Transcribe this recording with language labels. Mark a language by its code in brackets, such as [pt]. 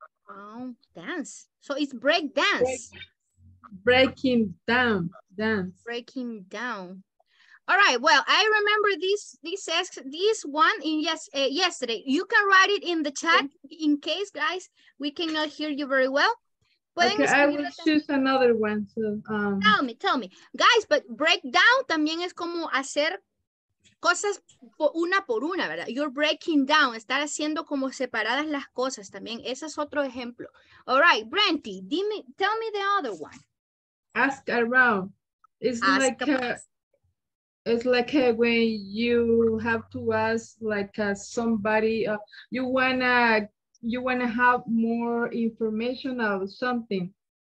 [en] Oh, dance, so it's break dance. Breaking down, dance. Breaking down. All right, well, I remember this one in yesterday. You can write it in the chat in case, guys, we cannot hear you very well. [es] Pueden [en] okay, I will choose [es] también [en] another one. So, tell me. Guys, but [es] breakdown también es como hacer cosas una por una, ¿verdad? [en] You're breaking down, [es] estar haciendo como separadas las cosas también. Ese es otro ejemplo. [en] All right, Brenty, tell me the other one. Ask around. It's ask like it's like when you have to ask like somebody, you wanna have more information of something.